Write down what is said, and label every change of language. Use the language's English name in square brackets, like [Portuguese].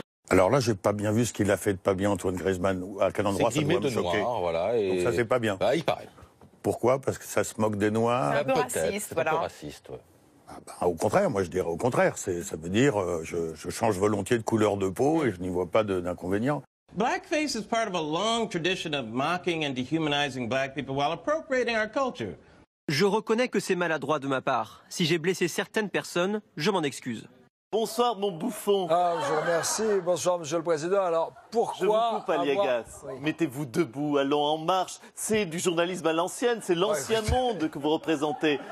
[French] Alors là, j'ai pas bien vu ce qu'il a fait de pas bien, Antoine Griezmann. À quel endroit c'est ça pourrait me choquer noir, voilà, et... Donc ça, c'est pas bien. Bah, il paraît. Pourquoi ? Parce que ça se moque des Noirs. C'est un peu peut-être. Raciste, c'est voilà. Un peu raciste, ouais. Ben, au contraire, moi je dirais au contraire. C'est, ça veut dire je change volontiers de couleur de peau et je n'y vois pas d'inconvénient. [English] Blackface is part of a long tradition of mocking and dehumanizing black people while appropriating our culture. [French] Je reconnais que c'est maladroit de ma part. Si j'ai blessé certaines personnes, je m'en excuse. Bonsoir, mon bouffon. Ah, je vous remercie. Bonsoir, monsieur le président. Alors, pourquoi... Je vous coupe, Aliagas. Oui. Mettez-vous debout, allons en marche. C'est du journalisme à l'ancienne, c'est l'ancien ouais, monde que vous représentez.